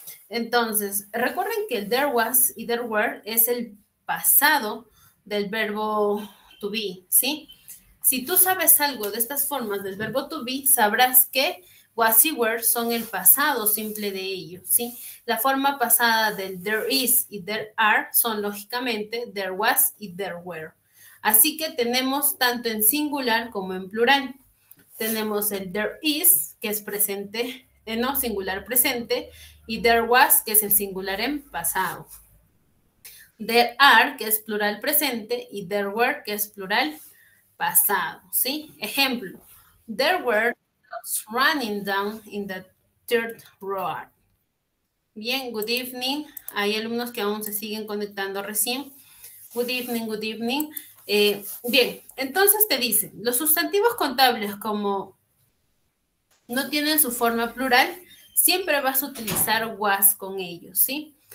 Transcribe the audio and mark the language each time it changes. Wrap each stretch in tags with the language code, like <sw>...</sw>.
<es>Entonces, recuerden que el</es> <en>there was</en> <es>y</es> <en>there were</en> <es>es el pasado del verbo</es> <en>to be,</en> <es>¿sí? Si tú sabes algo de estas formas del verbo</es> <en>to be,</en> <es>sabrás que was y were son el pasado simple de ello, ¿sí? La forma pasada del</es> <en>there is</en> <es>y</es> <en>there are</en> <es>son, lógicamente,</es> <en>there was</en> <es>y</es> <en>there were.</en> <es>Así que tenemos tanto en singular como en plural. Tenemos el</es> <en>there is,</en> <es>que es presente, no, singular presente, y</es> <en>there was,</en> <es>que es el singular en pasado.</es> <en>There are,</en> <es>que es plural presente, y</es> <en>there were,</en> <es>que es plural pasado, ¿sí? Ejemplo,</es> <en>there were dogs running down in the third road.</en> <es>Bien,</es> <en>good evening.</en> <es>Hay alumnos que aún se siguen conectando recién.</es> <en>Good evening, good evening.</en> <es>Bien, entonces te dicen, los sustantivos contables como no tienen su forma plural, siempre vas a utilizar was con ellos, ¿sí?</es>